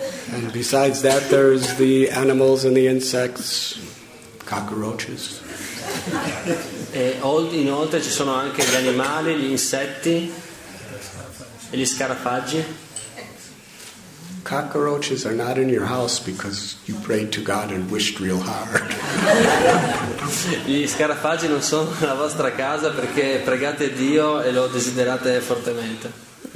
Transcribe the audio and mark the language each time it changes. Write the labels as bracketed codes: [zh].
[en] And besides that, there's the animals and the insects, cockroaches. [it] E inoltre ci sono anche gli animali, gli insetti e gli scarafaggi. [en] Cockroaches are not in your house because you prayed to God and wished real hard. [it] Gli scarafaggi non sono nella vostra casa perché pregate Dio e lo desiderate fortemente.